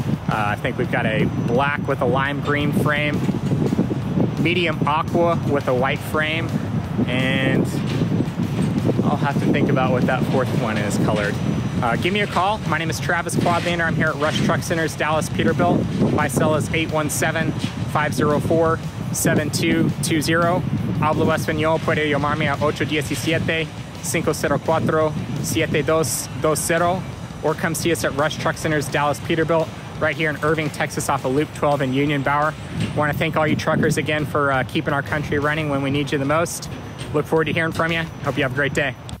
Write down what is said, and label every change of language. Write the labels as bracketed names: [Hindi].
[English] I think we've got a black with a lime green frame, medium aqua with a white frame. And I'll have to think about what that fourth one is colored. Give me a call. My name is Travis Quadlander. I'm here at Rush Truck Center's Dallas Peterbilt. My cell is 817-504-7220. [Spanish] Hablo español, puede llamarme a 817-504-7220. [English] Or come see us at Rush Truck Center's Dallas Peterbilt right here in Irving, Texas off of Loop 12 and Union Bower. I want to thank all you truckers again for keeping our country running when we need you the most. Look forward to hearing from you. Hope you have a great day.